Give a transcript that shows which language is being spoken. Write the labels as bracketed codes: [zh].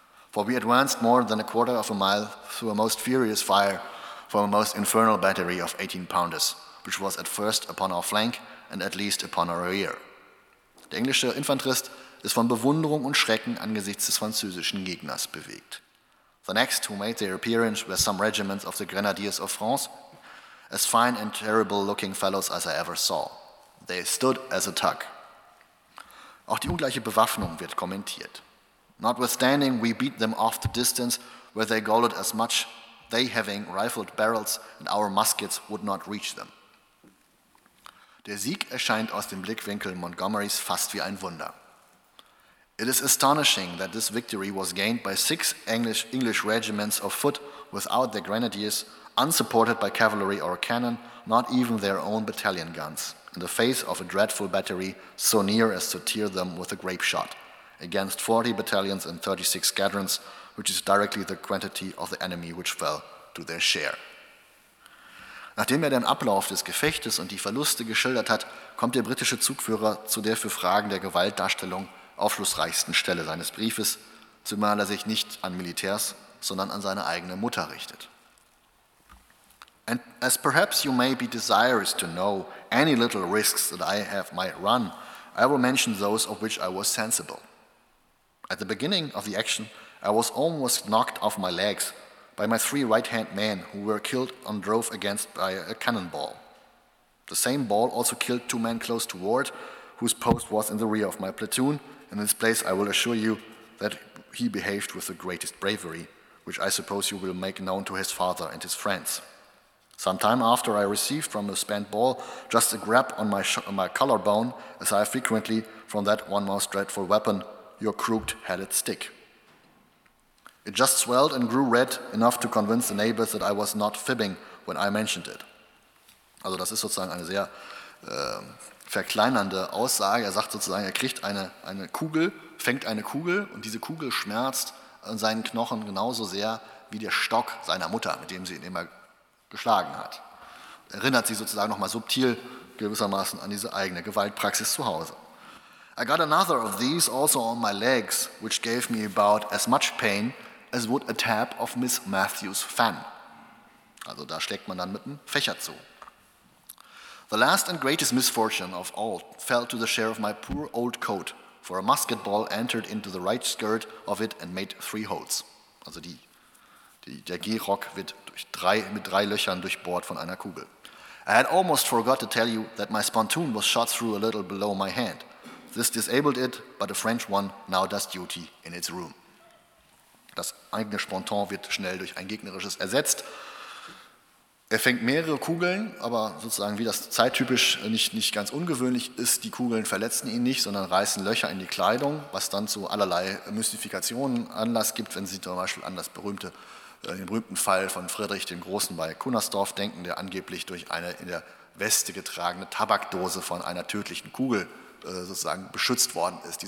[en] For we advanced more than a quarter of a mile through a most furious fire from a most infernal battery of 18 pounders, which was at first upon our flank and at least upon our rear." [de] Der englische Infanterist ist von Bewunderung und Schrecken angesichts des französischen Gegners bewegt. [en] "The next who made their appearance were some regiments of the Grenadiers of France, as fine and terrible-looking fellows as I ever saw. [de] They stood as a tuck." Auch die ungleiche Bewaffnung wird kommentiert. [en] "Notwithstanding, we beat them off the distance where they galloped as much, they having rifled barrels and our muskets would not reach them." [de] Der Sieg erscheint aus dem Blickwinkel Montgomerys fast wie ein Wunder. [en] "It is astonishing that this victory was gained by six English regiments of foot without their grenadiers, unsupported by cavalry or cannon, not even their own battalion guns, in the face of a dreadful battery so near as to tear them with a grape shot, against 40 battalions and 36 squadrons, which is directly the quantity of the enemy which fell to their share." [de] Nachdem er den Ablauf des Gefechtes und die Verluste geschildert hat, kommt der britische Zugführer zu der für Fragen der Gewaltdarstellung aufschlussreichsten Stelle seines Briefes, zumal er sich nicht an Militärs, sondern an seine eigene Mutter richtet. [en] "And as perhaps you may be desirous to know any little risks that I have might run, I will mention those of which I was sensible. At the beginning of the action, I was almost knocked off my legs by my three right-hand men who were killed and drove against by a cannonball. The same ball also killed two men close to ward, whose post was in the rear of my platoon. In this place, I will assure you that he behaved with the greatest bravery, which I suppose you will make known to his father and his friends. Some time after, I received from a spent ball just a grab on my collarbone, as I frequently from that one most dreadful weapon, your crooked-headed stick. It just swelled and grew red enough to convince the neighbors that I was not fibbing when I mentioned it." [de] Also das ist sozusagen eine sehr verkleinernde Aussage. Er sagt sozusagen, er kriegt eine Kugel, fängt eine Kugel und diese Kugel schmerzt an seinen Knochen genauso sehr wie der Stock seiner Mutter, mit dem sie ihn immer geschlagen hat. Erinnert sie sozusagen nochmal subtil gewissermaßen an diese eigene Gewaltpraxis zu Hause. [en] "I got another of these also on my legs, which gave me about as much pain as would a tap of Miss Matthews' fan." [de] Also da schlägt man dann mit einem Fächer zu. [en] "The last and greatest misfortune of all fell to the share of my poor old coat, for a musket ball entered into the right skirt of it and made three holes." [de] Also der Gehrock wird mit drei Löchern durchbohrt von einer Kugel. [en] "I had almost forgot to tell you that my spontoon was shot through a little below my hand. This disabled it, but a French one now does duty in its room." [de] Das eigene Sponton wird schnell durch ein gegnerisches ersetzt. Er fängt mehrere Kugeln, aber sozusagen wie das zeittypisch nicht ganz ungewöhnlich ist, die Kugeln verletzen ihn nicht, sondern reißen Löcher in die Kleidung, was dann zu allerlei Mystifikationen Anlass gibt, wenn Sie zum Beispiel an den berühmten Fall von Friedrich dem Großen bei Kunersdorf denken, der angeblich durch eine in der Weste getragene Tabakdose von einer tödlichen Kugel sozusagen beschützt worden ist.